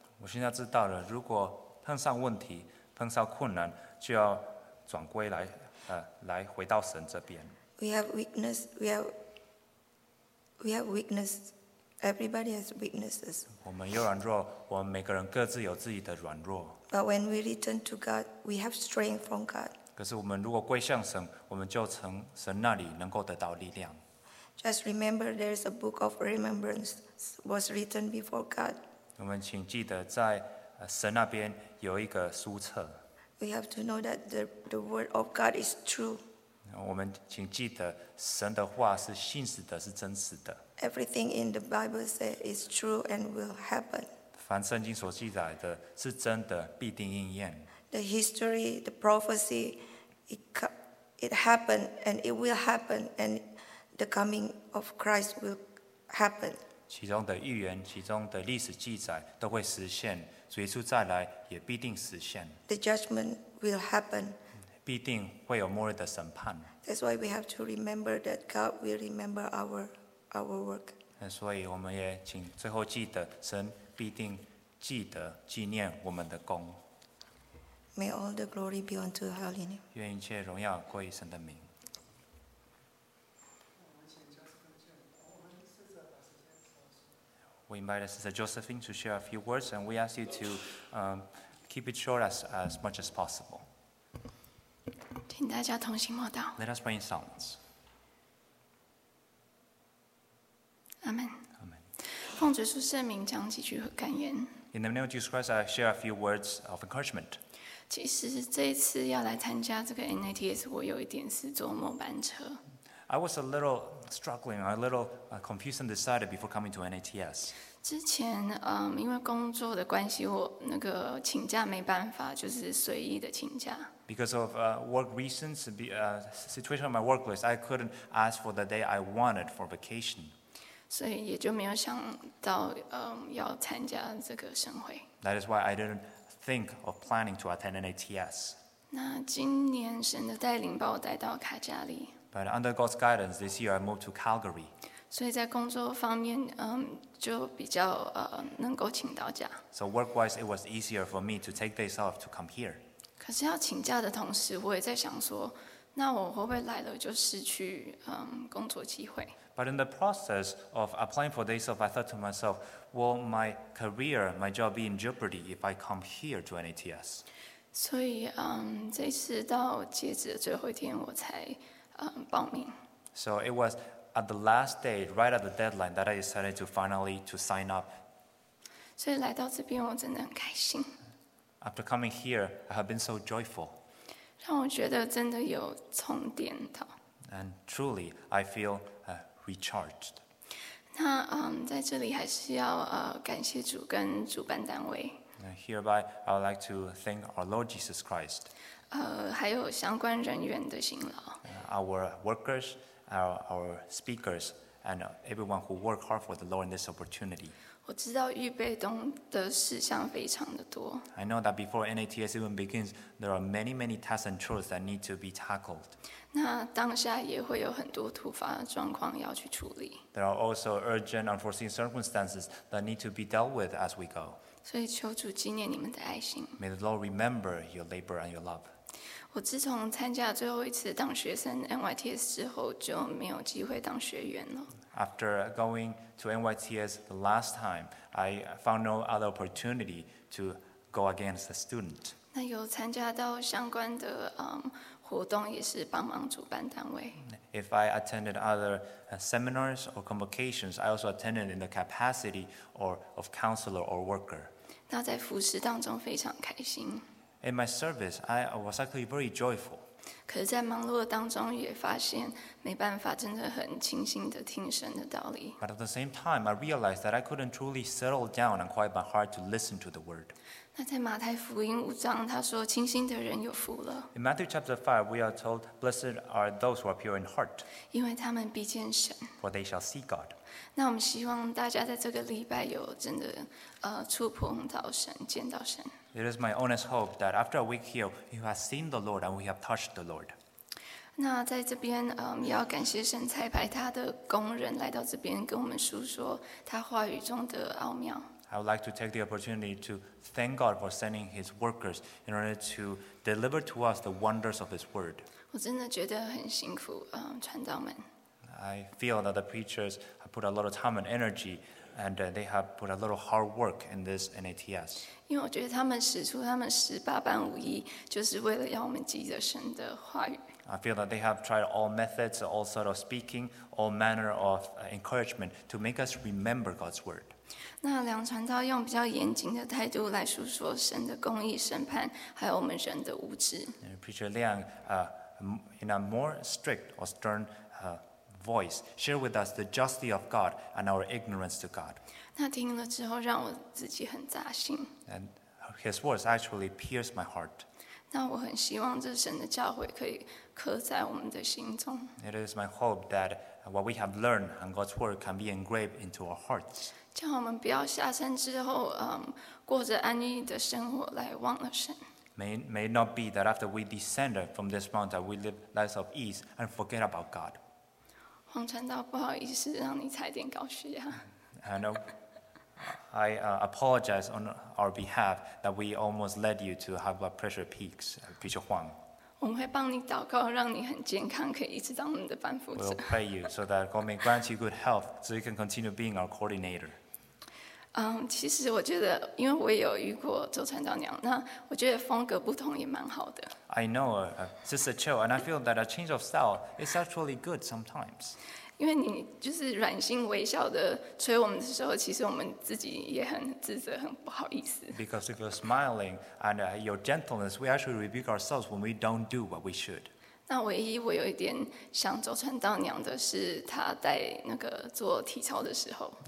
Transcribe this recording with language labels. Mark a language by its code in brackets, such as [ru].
[zh] 我现在知道了，如果碰上问题、碰上困难，就要转归来，来回到神这边。 [en] We have weakness. We have weakness. Everybody has weaknesses. [zh] 我们有软弱，我们每个人各自有自己的软弱。 [en] But when we return to God, we have strength from God. [zh] 可是我们如果归向神，我们就从神那里能够得到力量。 [en] Just remember, there is a book of remembrance was written before God. [zh] 我们请记得，在神那边有一个书册。 [en] We have to know that the word of God is true. [zh] 我们请记得，神的话是信实的，是真实的。 [en] Everything in the Bible says is true and will happen. [zh] 凡圣经所记载的是真的，必定应验。 [en] The history, the prophecy, it happened and it will happen, and the coming of Christ will happen. [zh] 其中的预言，其中的历史记载都会实现，主耶稣再来也必定实现。 [en] The judgment will happen. [zh] 必定会有末日的审判。 [en] That's why we have to remember that God will remember our work. [zh] 所以我们也请最后记得，神必定记得纪念我们的功。 [en] May all the glory be unto your holy name. [zh] 愿一切荣耀归于神的名。 [en] We invite Sister Josephine to share a few words, and we ask you to keep it short as much as possible. [zh] 请大家同心默祷。 [en] Let us pray in silence. Amen. Amen. [zh] 奉主耶稣圣名讲几句感言。 [en] In the name of Jesus Christ, I share a few words of encouragement. [zh] 其实这一次要来参加这个 NATS， 我有一点是坐末班车。 [en] I was a little struggling, a little confused and decided before coming to NATS. [zh] 之前，因为工作的关系，我那个请假没办法，就是随意的请假。 [en] Because of work reasons, situation on my work list, I couldn't ask for the day I wanted for vacation. [zh] 所以也就没有想到，要参加这个盛会。 [en] That is why I didn't. Think of planning to attend NATS. [zh] 那今年神的带领把我带到卡加利。 [en] But under God's guidance, this year I moved to Calgary. [zh] 所以在工作方面，就比较能够请到假。 [en] So work-wise, it was easier for me to take days off to come here. [zh] 可是要请假的同时，我也在想说，那我会不会来了就失去工作机会？ [en] But in the process of applying for days off, I thought to myself. Will my career, my job be in jeopardy if I come here to NATS? [zh] So, 这次到截止的最后一天，我才报名。 [en] So it was at the last day, right at the deadline, that I decided to finally to sign up. [zh] 所以来到这边，我真的很开心。 [en] After coming here, I have been so joyful. [zh] 让我觉得真的有充电到。 [en] And truly, I feel recharged. [zh] 那在这里还是要感谢主跟主办单位。 [en] Hereby, I would like to thank our Lord Jesus Christ. [zh] 还有相关人员的辛劳。 [en] Our workers, our speakers, and everyone who work hard for the Lord in this opportunity. [zh] 我知道预备中的事项非常的多。 [en] I know that before NATS even begins, there are many, many tasks and chores that need to be tackled. [zh] 那当下也会有很多突发状况要去处理。 [en] There are also urgent, unforeseen circumstances that need to be dealt with as we go. [zh] 所以求主纪念你们的爱心。 [en] May the Lord remember your labor and your love. [zh] 我自从参加最后一次当学生 NYTS 之后，就没有机会当学员了。 [en] After going to NYTS the last time, I found no other opportunity to go again as a student. [zh] 那有参加到相关的活动，也是帮忙主办单位。 [en] If I attended other seminars or convocations, I also attended in the capacity or of counselor or worker. [zh] 那在服事当中非常开心。 [en] In my service, I was actually very joyful. [zh] 可是在忙碌当中也发现没办法真的很清新的听神的道理。 [en] But at the same time, I realized that I couldn't truly settle down and quiet my heart to listen to the word. [zh] 那在马太福音五章，他说：“清心的人有福了。” [en] In Matthew chapter 5, we are told, "Blessed are those who are pure in heart." [zh] 因为他们必见神。 [en] For they shall see God. [zh] 那我们希望大家在这个礼拜有真的触碰到神，见到神。 [en] It is my honest hope that after a week here, you have seen the Lord and we have touched the Lord. [zh] 那在这边，也要感谢神差派他的工人来到这边，跟我们述说他话语中的奥妙。 [en] I would like to take the opportunity to thank God for sending His workers in order to deliver to us the wonders of His word. [zh] 我真的觉得很辛苦，传道们。 [en] I feel that the preachers have put a lot of time and energy, and they have put a lot of hard work in this NATS. [zh] 因为我觉得他们使出他们十八般武艺，就是为了要我们记得神的话语。 [en] I feel that they have tried all methods, all sort of speaking, all manner of encouragement to make us remember God's word. [zh] 那两传道用比较严谨的态度来述说神的公义审判，还有我们人的无知。 [en] Preacher Liang, in a more strict or stern voice, share with us the justice of God and our ignorance to God. [zh] 那听了之后让我自己很扎心。 [en] And his words actually pierced my heart. [zh] 那我很希望这神的教诲可以刻在我们的心中。 [en] It is my hope that what we have learned and God's word can be engraved into our hearts. [zh] 叫我们不要下山之后，过着安逸的生活来忘了神。 [en] May it not be that after we descend from this mountain, we live lives of ease and forget about God. [zh] 黄传道，不好意思，让你踩点高血压。 [en] I know. I apologize on our behalf that we almost led you to have blood pressure peaks, Preacher Huang. [zh] 我们会帮你祷告，让你很健康，可以一直当我们的伴辅者。 [en] We'll pray you so that God may grant you good health, so you can continue being our coordinator. [zh] 其实我觉得，因为我也有遇过周传道娘，那我觉得风格不同也蛮好的。 [en] I know, Sister Cho, and I feel that a change of style is actually good sometimes. [zh] 因为你就是软心微笑的催我们的时候，其实我们自己也很自责，很不好意思。 [en] Because if you're smiling and your gentleness, we actually rebuke ourselves when we don't do what we should. [zh] 那唯一我有一点想周传道娘的是，她在那个做体操的时候。